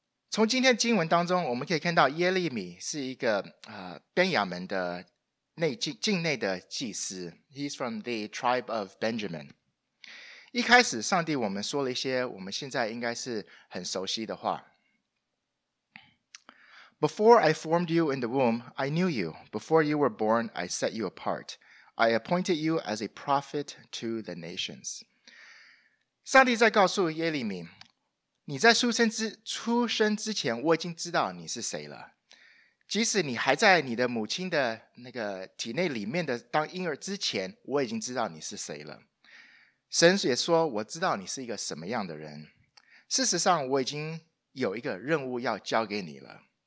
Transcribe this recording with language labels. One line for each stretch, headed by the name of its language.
Chinese: 从今天经文当中，我们可以看到耶利米是一个边亚门的境内的祭司。
English: He's from the tribe of Benjamin。
Chinese: 一开始上帝我们说了一些我们现在应该是很熟悉的话。
English: Before I formed you in the womb, I knew you. Before you were born, I set you apart. I appointed you as a prophet to the nations.
Chinese: 上帝在告诉耶利米，你在出生之前我已经知道你是谁了。即使你还在你的母亲的那个体内里面的当婴儿之前，我已经知道你是谁了。神也说，我知道你是一个什么样的人。事实上，我已经有一个任务要交给你了。